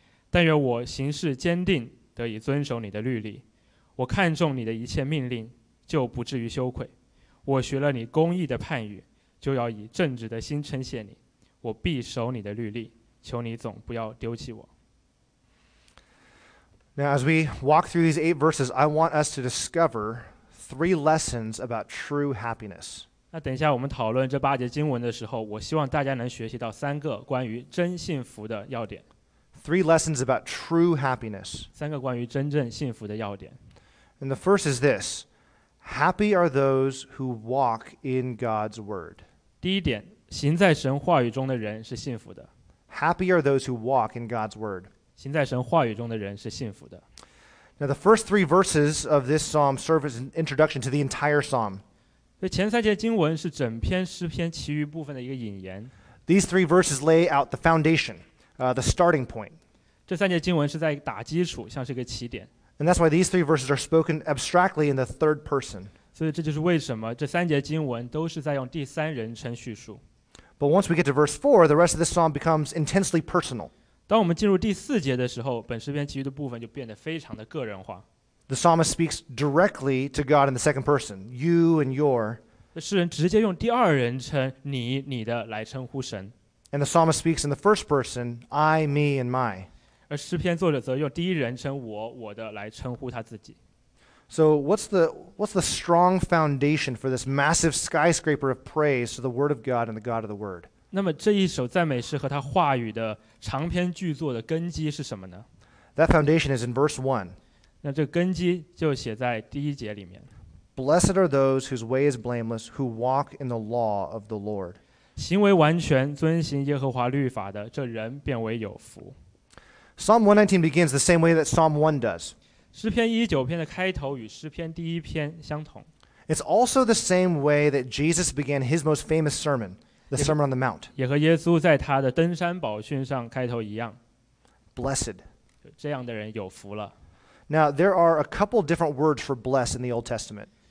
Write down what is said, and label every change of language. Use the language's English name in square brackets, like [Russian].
[Chinese] 但愿我行事坚定，得以遵守你的律例。我看重你的一切命令，就不至于羞愧。我学了你公义的判语，就要以正直的心称谢你。我必守你的律例，求你总不要丢弃我。 [English] Now, as we walk through these 8 verses, I want us to discover 3 lessons about true happiness. [Chinese] 那等一下我们讨论这八节经文的时候，我希望大家能学习到三个关于真幸福的要点。 [English] 3 lessons about true happiness. [Chinese] 三个关于真正幸福的要点。 [English] And the first is this. Happy are those who walk in God's word. [Chinese] 第一点，行在神话语中的人是幸福的。 [English] Happy are those who walk in God's word. [Chinese] 行在神话语中的人是幸福的。 [English] Now the first 3 verses of this psalm serve as an introduction to the entire psalm. [Chinese] 前三节经文是整篇诗篇其余部分的一个引言。 [English] These 3 verses lay out the foundation, the starting point. [Chinese] 这三节经文是在打基础，像是一个起点。 [English] And that's why these 3 verses are spoken abstractly in the third person. [Chinese] 所以这就是为什么这三节经文都是在用第三人称叙述。 [English] But once we get to verse 4, the rest of this psalm becomes intensely personal. [Chinese] 当我们进入第四节的时候，本诗篇其余的部分就变得非常的个人化。 [English] The psalmist speaks directly to God in the second person, you and your. [Chinese] 诗人直接用第二人称你、你的来称呼神。 [English] And the psalmist speaks in the first person, I, me, and my. [Chinese] 而诗篇作者则用第一人称我、我的来称呼他自己。 [English] So what's the strong foundation for this massive skyscraper of praise to the Word of God and the God of the Word? [Chinese] 那么这一首赞美诗和他话语的长篇巨作的根基是什么呢？ [English] That foundation is in verse 1. [Chinese] 那这根基就写在第一节里面。 [English] Blessed are those whose way is blameless, who walk in the law of the Lord. [Chinese] 行为完全，遵行耶和华律法的，这人变为有福。 [English] Psalm 119 begins the same way that Psalm 1 does. [Chinese] 诗篇119篇的开头与诗篇第一篇相同。 [English] It's also the same way that Jesus began his most famous sermon. The Sermon on the Mount. [Chinese] 也和耶稣在他的登山宝训上开头一样。 [English] Blessed. [Chinese] 这样的人有福了。 [English] Now, there are a couple different words for bless in the Old Testament.